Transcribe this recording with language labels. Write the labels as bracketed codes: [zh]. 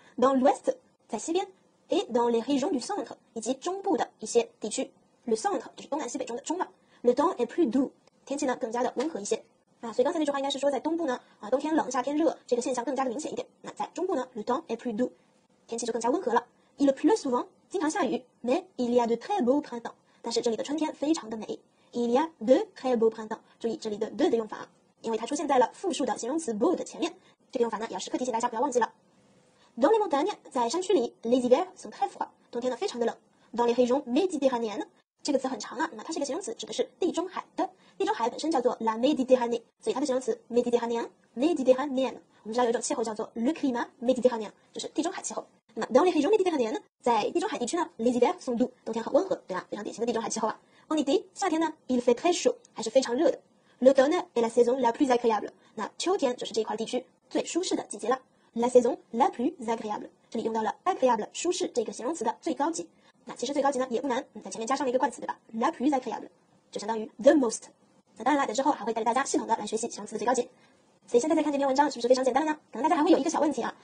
[fr] Dans l'ouest， [zh] 在西边。 [fr] Et dans les régions du centre， [zh] 以及中部的一些地区。 [fr] Le centre [zh] 就是东南西北中的中了。 [fr] Le temps est plus doux， [zh] 天气呢更加的温和一些。所以刚才那句话应该是说在东部呢冬天冷夏天热这个现象更加的明显一点。那在中部呢 [fr] le temps est plus doux， [zh] 天气就更加温和了。 [fr] Il pleut souvent， [zh] 经常下雨。 [fr] Mais il y a de très beaux printemps， [zh] 但是这里的春天非常的美。 [fr] Il y a de très beaux printemps， [zh] 注意这里的 de 的用法，因为它出现在了复数的形容词 beau 的前面，这个用法呢也要时刻提醒大家不要忘记了。 [fr] Dans les montagnes， [zh] 在山区里。 [fr] Les hivers sont très froids， [zh] 冬天呢非常的冷。 [fr] Dans les régions méditerranéennes， [zh] 这个词很长啊，那它是一个形容词，指的是地中海的。地中海本身叫做 la Méditerranée， 所以它的形容词 Méditerranéenne。我们知道有一种气候叫做 [fr] le climat méditerranéen， [zh] 就是地中海气候。那么 [fr] dans les régions méditerranéennes， [zh] 在地中海地区呢 ， [fr] les hivers sont doux， [zh] 冬天很温和，对吧？非常典型的地中海气候啊。 [fr] En été， [zh] 夏天呢 [fr] ，il fait très chaud， [zh] 还是非常热的。 [fr] L'automne est la saison la plus agréable， [zh] 那秋天就是这一块地区最舒适的季节了。 [fr] La saison la plus agréable， [zh] 这里用到了 agréable 舒适这个形容词的最高级。那其实最高级呢也不难，在前面加上了一个冠词，对吧 ？ [fr] La plus agréable， [zh] 就相当于 [en] the most。 [zh] 那当然了，在之后还会带大家系统的来学习形容词的最高级。所以现在再看这篇文章是不是非常简单了呢？可能大家还会有一个小问题啊。